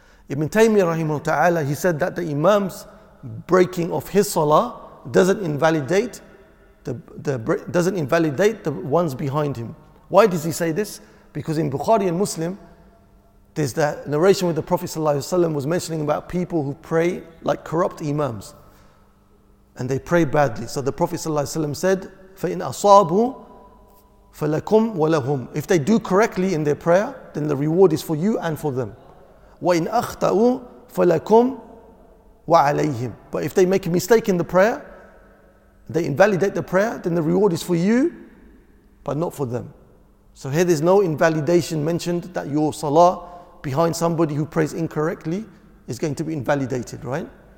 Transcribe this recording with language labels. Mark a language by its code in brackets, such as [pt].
[en] Ibn Taymiyyah rahimahullah ta'ala, he said that the Imam's breaking of his salah doesn't invalidate the ones behind him. Why does he say this? Because in Bukhari and Muslim, there's that narration where the Prophet ﷺ was mentioning about people who pray like corrupt imams, and they pray badly. So the Prophet ﷺ said, [ar] فَإِنْ أَصَابُوا فَلَكُمْ وَلَهُمْ. [en] If they do correctly in their prayer, then the reward is for you and for them. [ar] وَإِنْ أَخْطَأُوا فَلَكُمْ وَعَلَيْهِمْ. [en] But if they make a mistake in the prayer, they invalidate the prayer, then the reward is for you, but not for them. So here there's no invalidation mentioned that your salah behind somebody who prays incorrectly is going to be invalidated, right?